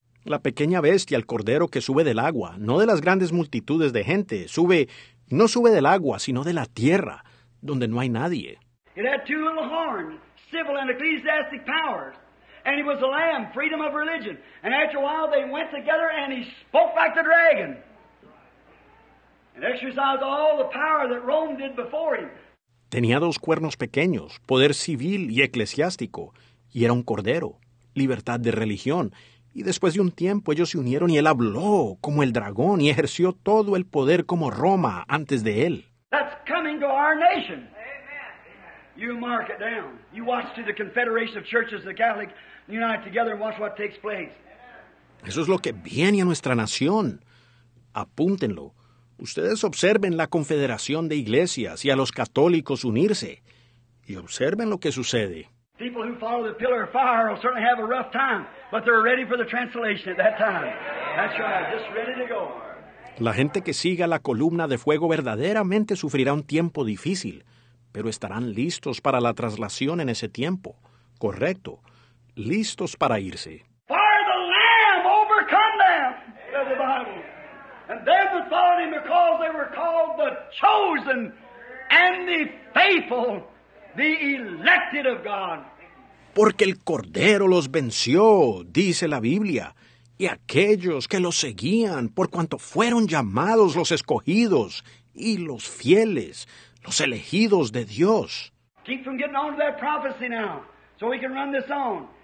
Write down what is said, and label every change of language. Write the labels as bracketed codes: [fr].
[es] La pequeña bestia, el cordero que sube del agua, no de las grandes multitudes de gente, sube, no sube del agua, sino de la tierra, donde no hay nadie. [en] It had two little horns, civil and ecclesiastic powers, and he was a lamb, freedom of religion. And after a while, they went together, and he spoke like the dragon, and exercised all the power that Rome did before him. [es] Tenía dos cuernos pequeños, poder civil y eclesiástico, y era un cordero, libertad de religión. Y después de un tiempo ellos se unieron y él habló como el dragón y ejerció todo el poder como Roma antes de él. [en] That's coming to our nation. You mark it down. You watch to the Confederation of Churches, the Catholic, unite together and watch what takes place. [es] Eso es lo que viene a nuestra nación. Apúntenlo. Ustedes observen la confederación de iglesias y a los católicos unirse, y observen lo que sucede. [en] People who follow the pillar of fire will certainly have a rough time, but they're ready for the translation at that time. That's right, just ready to go. [es] La gente que siga la columna de fuego verdaderamente sufrirá un tiempo difícil, pero estarán listos para la traslación en ese tiempo. Correcto, listos para irse. [en] Fire the Lamb, overcome them, said the Bible. And them that followed him because they were called the chosen and the faithful, the elected of God. [es] porque el Cordero los venció, dice la Biblia, y aquellos que los seguían, por cuanto fueron llamados los escogidos y los fieles, los elegidos de Dios. [en] Keep from getting on to that prophecy now, so we can run this on.